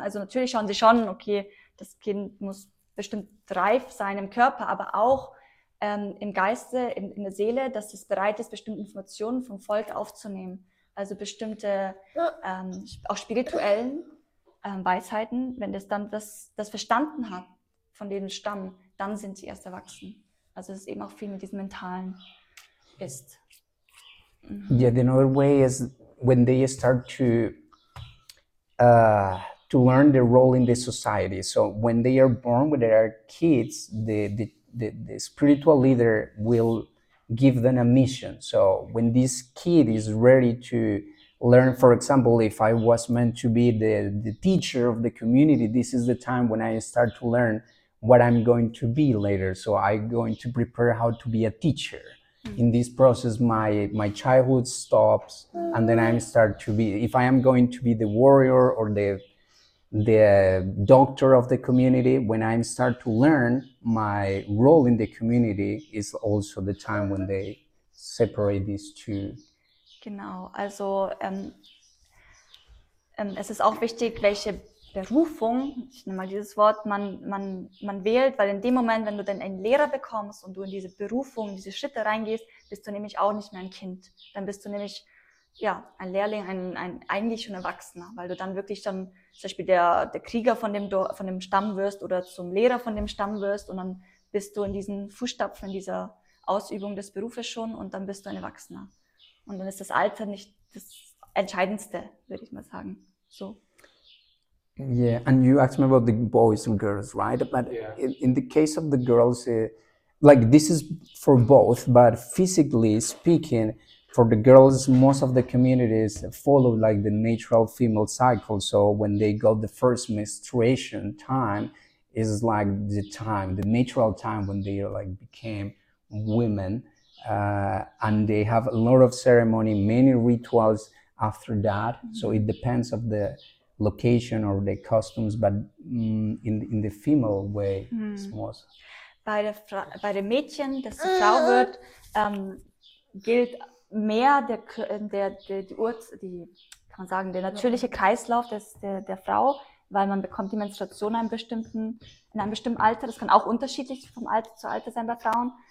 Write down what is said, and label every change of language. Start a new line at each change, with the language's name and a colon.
German: Also natürlich schauen sie schon, okay, das Kind muss bestimmt reif sein im Körper, aber auch im Geiste, in der Seele, dass es bereit ist, bestimmte Informationen vom Volk aufzunehmen. Also bestimmte, auch spirituellen Weisheiten, wenn es dann das verstanden hat von dem Stamm, dann sind sie erst erwachsen. Also es ist eben auch viel mit diesem Mentalen ist.
English: Yeah, the other way is when they start to learn their role in the society. So when they are born, when they are kids, the spiritual leader will give them a mission. So when this kid is ready to learn, for example, if I was meant to be the teacher of the community, this is the time when I start to learn what I'm going to be later. So I'm going to prepare how to be a teacher. In this process, my childhood stops, and then I start to be, if I am going to be the warrior or the doctor of the community, when I start to learn, my role in the community is also the time when they separate these two.
German: Genau, also es ist auch wichtig, welche Berufung, ich nehme mal dieses Wort, man wählt, weil in dem Moment, wenn du dann einen Lehrer bekommst und du in diese Berufung, diese Schritte reingehst, bist du nämlich auch nicht mehr ein Kind. Dann bist du nämlich ja ein Lehrling, ein eigentlich schon Erwachsener, weil du dann wirklich dann zum Beispiel der Krieger von dem Stamm wirst oder zum Lehrer von dem Stamm wirst und dann bist du in diesen Fußstapfen, in dieser Ausübung des Berufes schon und dann bist du ein Erwachsener. Und dann ist das Alter nicht das Entscheidendste, würde ich mal sagen.
English: So. Yeah, and you asked me about the boys and girls, right? But in the case of the girls, like this is for both, but physically speaking, for the girls, most of the communities follow like the natural female cycle. So when they got the first menstruation time, is like the time, the natural time when they like became women. And they have a lot of ceremony, many rituals after that. Mm-hmm. So it depends of the location or the customs, but in the female way, it's most.
German: Bei den Mädchen, dass sie Frau wird, gilt mehr der natürliche Kreislauf der Frau, weil man bekommt die Menstruation in einem bestimmten Alter. Das kann auch unterschiedlich vom Alter zu Alter sein bei Frauen.